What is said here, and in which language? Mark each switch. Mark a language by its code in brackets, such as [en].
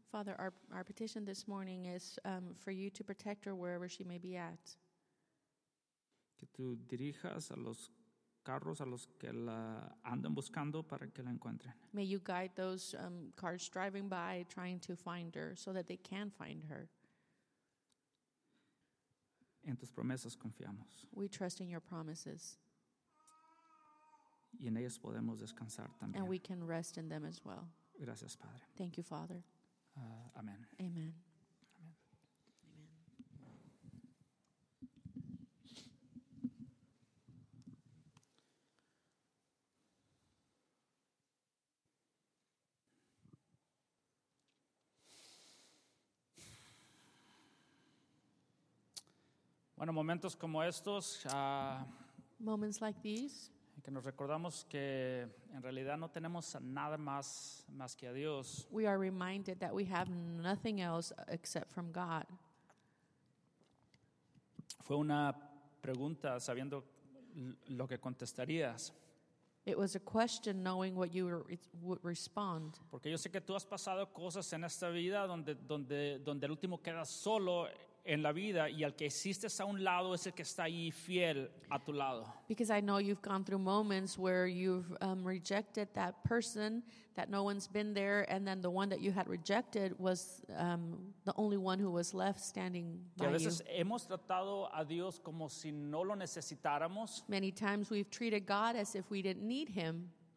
[en] Father, our petition this morning is for you to protect her wherever she may be at. [es] Que tú dirijas a los carros a los que la andan buscando para que la encuentren. [en] May you guide those cars driving by trying to find her so that they can find her. [es] En tus promesas confiamos. [en] We trust in your promises. [es] Y en ellas podemos descansar también. [en] And we can rest in them as well. [es] Gracias, Padre. [en] Thank you, Father. Amen. Amen. [es] Bueno, momentos como estos, [en] moments like these, [es] que nos recordamos que en realidad no tenemos nada más que a Dios. [en] We are reminded that we have nothing else except from God. [es] Fue una pregunta sabiendo lo que contestarías. [en] It was a question knowing what you would respond. [es] Porque yo sé que tú has pasado cosas en esta vida donde el último queda solo en la vida y al que hiciste a un lado es el que está ahí fiel a tu lado. [en] Because I know you've gone through moments where you've rejected that person that no one's been there, and then the one that you had rejected was the only one who was left standing by you. [es] Y a veces hemos tratado a Dios como si no lo necesitáramos. [en] Many times we've treated God as if we didn't need him.